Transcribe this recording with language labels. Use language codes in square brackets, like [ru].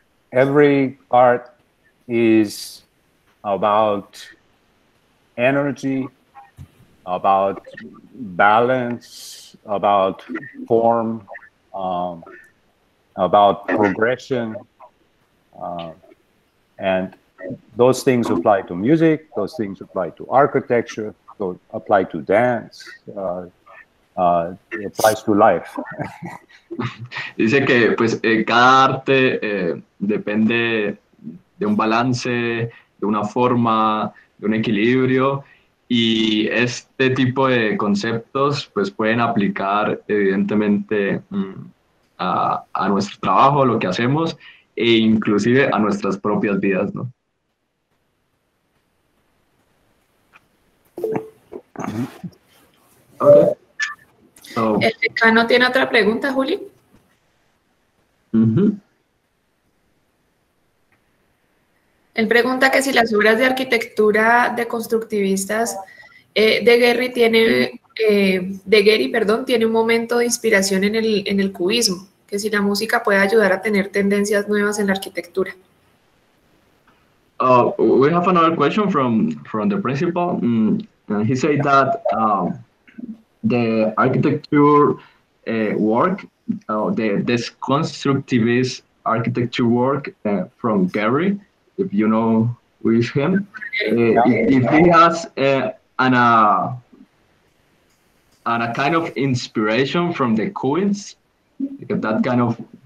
[en] Every art is about energy, about balance, about form, about progression, and those things apply to music, those things apply to architecture, so apply to dance, applies to life. [es] Dice que pues cada arte depende de un balance, de una forma, de un equilibrio, y este tipo de conceptos pues pueden aplicar evidentemente a nuestro trabajo, lo que hacemos, e inclusive a nuestras propias vidas, ¿no? [en] Okay. [es] Oh. ¿El decano tiene otra pregunta, Juli? Uh-huh. Él pregunta que si las obras de arquitectura de constructivistas de Gehry, tiene un momento de inspiración en el cubismo, que si la música puede ayudar a tener tendencias nuevas en la arquitectura. [en] We have another question from the principal. And he said that the architecture work, the deconstructivist architecture work from Gehry, if you know who is him, if he has a kind of inspiration from the Coens, that kind of